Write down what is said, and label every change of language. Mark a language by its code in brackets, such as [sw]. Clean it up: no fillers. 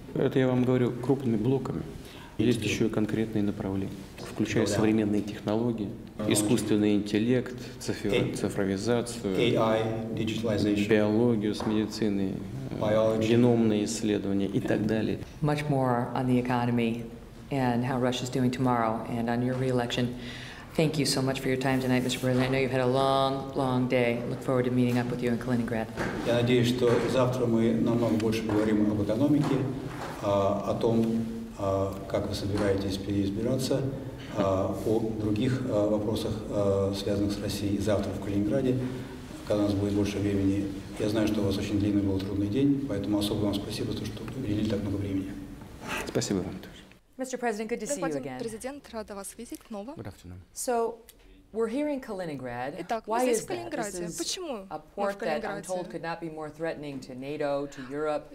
[ru] Это я вам говорю крупными блоками. Есть еще и конкретные направления, включая современные технологии, искусственный интеллект, цифровизацию, [en] AI, digitalization, [ru] биологию с медициной, [en] biology, [ru] геномные исследования и так далее. [en] Much more on the economy and how Russia's doing tomorrow and on your re-election. Thank you so much for your time tonight, Mr. President. I know you've had a long, long day. I look forward to meeting up with you in Калининград. [ru] Я надеюсь, что завтра мы намного больше поговорим об экономике, о том, как вы собираетесь переизбираться, о других вопросах, связанных с Россией завтра в Калининграде, когда у нас будет больше времени. Я знаю, что у вас очень длинный был трудный день, поэтому особо вам спасибо, что уделили так много времени. Спасибо вам тоже. [en] Mr. President, good to see you again. [ru] Господин президент, рада вас видеть снова. [en] Good afternoon. So, we're here in Kaliningrad. [ru] Итак, мы здесь в Калининграде. Почему мы в Калининграде? [en] This is a port that, I'm told, could not be more threatening to NATO, to Europe.